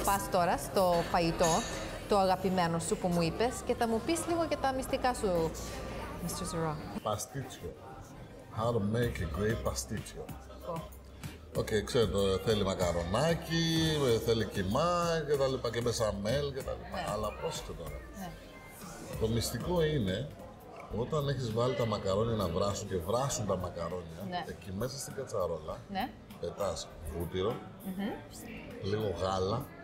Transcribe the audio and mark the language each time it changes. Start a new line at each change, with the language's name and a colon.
Greek: Τώρα στο φαγητό, το αγαπημένο σου που μου είπες και θα μου πεις λίγο για τα μυστικά σου, Mr. Zeraw. Παστίτσιο.
English: How to make a great παστίτσιο.
Greek: Okay, ξέρω, θέλει μακαρονάκι, θέλει κιμά και τα λοιπά και μπεσαμέλ και τα λοιπά. Ναι. Αλλά πρόσεχε τώρα. Ναι. Το μυστικό είναι όταν έχεις βάλει τα μακαρόνια να βράσουν και βράσουν τα μακαρόνια, εκεί μέσα στην κατσαρόλα πετάς βούτυρο, λίγο γάλα.